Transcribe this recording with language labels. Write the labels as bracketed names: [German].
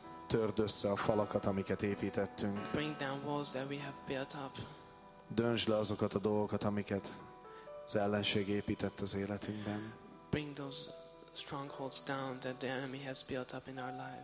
[Hungarian] Törd össze a falakat, amiket építettünk. [English] Bring down walls that we have built up. [Hungarian] Döntsd le azokat a dolgokat, amiket az ellenség épített az életünkben. [English] Bring those strongholds down that the enemy has built up in our lives.